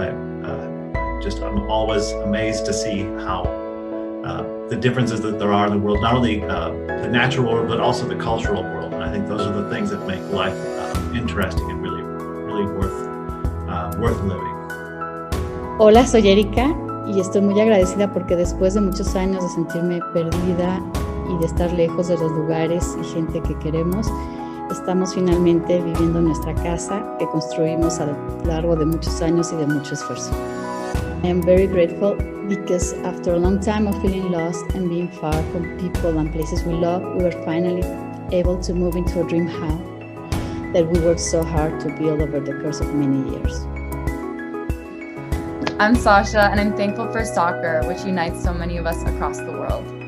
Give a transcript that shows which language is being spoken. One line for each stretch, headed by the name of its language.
English: I'm always amazed to see how the differences that there are in the world, not only the natural world, but also the cultural world. And I think those are the things that make life interesting and really, really worth living.
Spanish: Hola, soy Erika y estoy muy agradecida porque después de muchos años de sentirme perdida y de estar lejos de los lugares y gente que queremos, estamos finalmente viviendo nuestra casa que construimos a lo largo de muchos años y de mucho esfuerzo.
English: I am very grateful because after a long time of feeling lost and being far from people and places we love, we were finally able to move into a dream house that we worked so hard to build over the course of many years. I'm Sasha, and I'm thankful for soccer, which unites so many of us across the world.